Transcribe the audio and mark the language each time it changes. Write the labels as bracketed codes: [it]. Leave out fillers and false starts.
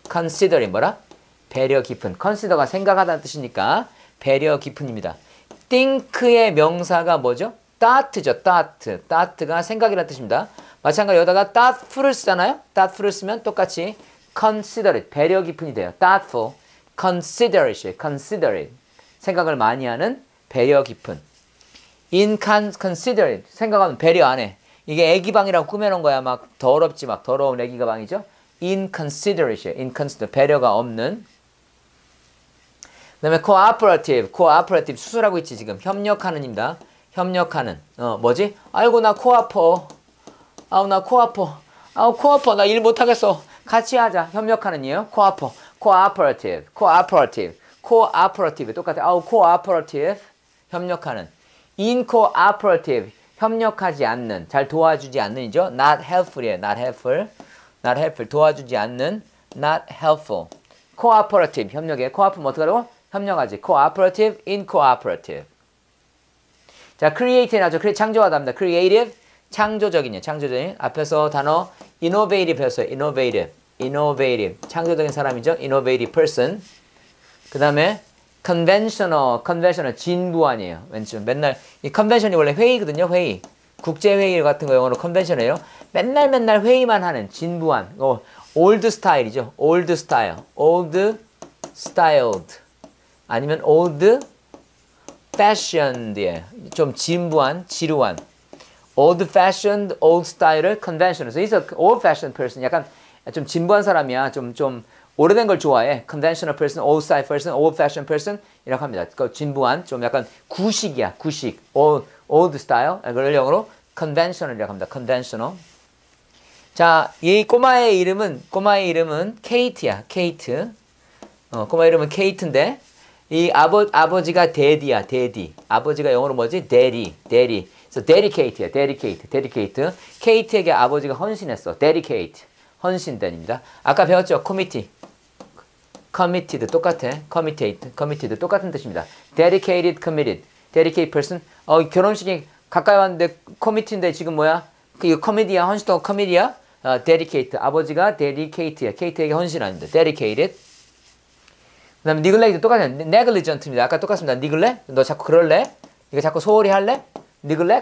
[ko] consider이 뭐라? 배려 깊은. consider가 생각하다는 뜻이니까 배려 깊은입니다. think의 명사가 뭐죠? [en] thought죠. thought. [ko] thought가 생각이라는 뜻입니다. 마찬가지로 여기다가 thoughtful을 쓰잖아요. thoughtful을 쓰면 똑같이 considerate, 배려 깊은이 돼요. [en] thoughtful, considerate, considerate. [ko] 생각을 많이 하는 배려 깊은. inconsiderate, 생각하면 배려 안 해. 이게 애기 방이라고 꾸며놓은 거야. 막 더럽지, 막 더러운 애기가 방이죠. inconsiderate, inconsiderate, 배려가 없는. 그 다음에 cooperative, cooperative, 수술하고 있지 지금. 협력하는입니다. 협력하는. 뭐지? 아이고 나 코 아파. 아우 나 코 아파. 아우 코 아파. 나 일 못하겠어. 같이 하자. 협력하는이에요. 코 아파. [en] cooperative, cooperative, cooperative. [ko] 똑같아. 아우 cooperative, 협력하는. incooperative, 협력하지 않는. 잘 도와주지 않는이죠. [en] not helpful이에요. not helpful. not helpful, [ko] 도와주지 않는. [en] not helpful. cooperative, 협력해. cooperative [ko] 어떡하라고? 협력하지. [en] cooperative, incooperative. [ko] 자, creative 나죠. 창조하답니다. creative, 창조적이네요. 창조적인. 앞에서 단어 innovative 배웠어요. [en] innovative, innovative. [ko] 창조적인 사람이죠. innovative person. 그 다음에 conventional, conventional. 진부 아니에요. 왠지 맨날. 이 convention이 원래 회의거든요. 회의. 국제회의 같은 거 영어로 convention이에요. 맨날 맨날 회의만 하는 진부한. 어, old style이죠. old style. [en] old styled. [ko] 아니면 [en] old fashioned 예. [ko] 좀 진부한, 지루한. old fashioned, old style을 conventional. [en] So he's an old fashioned person. [ko] 약간 좀 진부한 사람이야. 좀 오래된 걸 좋아해. [en] conventional person, old style person, old fashioned person [ko] 이라고 합니다. 그 진부한, 좀 약간 구식이야. [en] 구식. old style. [ko] 그걸 영어로 conventional 이라고 합니다. [en] conventional. [ko] 자, 이 꼬마의 이름은 케이트야. 케이트. 꼬마 이름은 케이트인데 이 아버지가 데디야, 데디. 아버지가 영어로 뭐지? 데디, 데디. So dedicate야, dedicate, dedicate. 케이트에게 아버지가 헌신했어. dedicate, 헌신된입니다. 아까 배웠죠? [en] committee, committed, 똑같아. [ko] committed, committed, 똑같은 뜻입니다. [en] dedicated, committed, dedicated person. [ko] 결혼식이 가까이 왔는데 committee인데 지금 뭐야? 이 comedy야, 헌신도 comedy야? dedicate, 아버지가 dedicate야. 케이트에게 헌신합니다. [en] dedicated. [ko] 그 다음에 neglect도 똑같아요. negligent입니다. 아까 똑같습니다. neglect? 너 자꾸 그럴래? 이거 자꾸 소홀히 할래? neglect?